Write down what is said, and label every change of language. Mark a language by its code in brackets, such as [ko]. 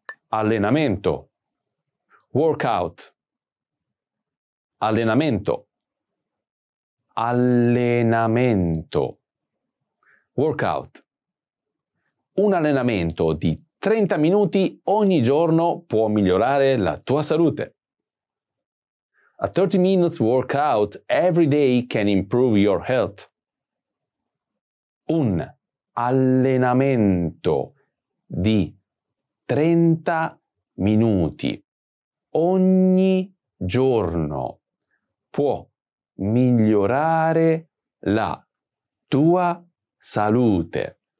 [it] Allenamento. Workout. Allenamento. Allenamento. Workout. Un allenamento di 30 minuti ogni giorno può migliorare la tua salute. [en] A 30 minutes workout every day can improve your health. [it] Un allenamento di 30 minuti ogni giorno può migliorare la tua salute.